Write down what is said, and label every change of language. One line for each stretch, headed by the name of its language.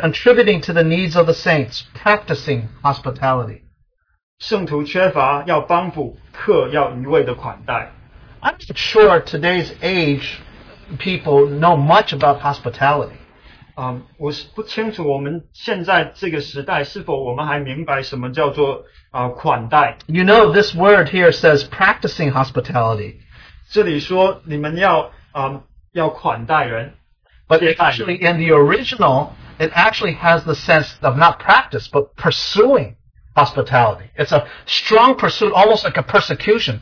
English: Contributing to the needs of the saints, practicing hospitality.
Chinese: 圣徒缺乏要帮补，客要一味的款待。
English: I'm not sure today's age people know much about hospitality.
Chinese: 我是不清楚我们现在这个时代是否我们还明白什么叫做款待。
English: You know, this word here says practicing hospitality.
Chinese: 这里说你们要款待人。
English: But actually in the original, it actually has the sense of not practice, but pursuing hospitality. It's a strong pursuit, almost like a persecution.